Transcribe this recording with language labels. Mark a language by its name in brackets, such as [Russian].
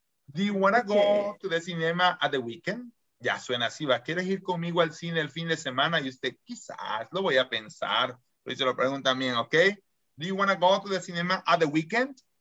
[English] Do you want to go to the cinema at the weekend? [Spanish] Ya suena así, ¿va? ¿Quieres ir conmigo al cine el fin de semana? Y usted, quizás, lo voy a pensar. Pero se lo preguntan bien, ¿ok? [English] Do you want to go to the cinema at the weekend?